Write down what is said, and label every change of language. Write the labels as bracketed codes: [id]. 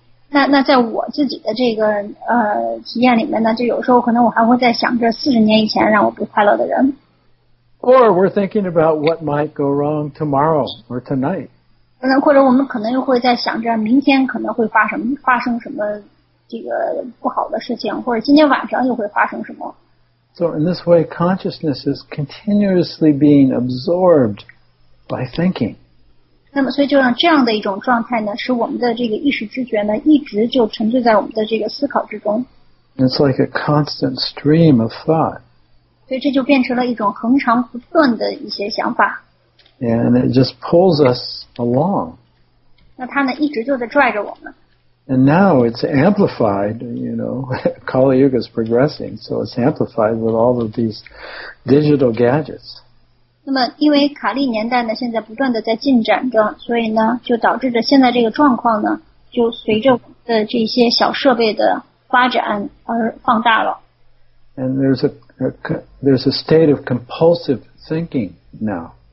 [zh] 那在我自己的这个体验里面呢，就有时候可能我还会在想着40年以前让我不快乐的人。 [en] Or we're thinking about what might go wrong tomorrow or tonight. [zh] 或者我们可能又会在想着明天可能会发生什么这个不好的事情，或者今天晚上又会发生什么。 [en] So in this way, consciousness is continuously being absorbed by thinking. [zh] 那么所以就让这样的一种状态呢，使我们的这个意识知觉呢，一直就沉醉在我们的这个思考之中。 [en] It's like a constant stream of thought. [zh] 所以这就变成了一种恒常不断的一些想法。 [en] And it just pulls us along. [zh] 那它呢，一直就在拽着我们。 [en] And now it's amplified, you know, Kali Yuga is progressing, so it's amplified with all of these digital gadgets. [zh] 那么因为卡利年代呢现在不断的在进展着，所以呢就导致着现在这个状况呢就随着的这些小设备的发展而放大了。 [en] And there's a state of compulsive thinking now.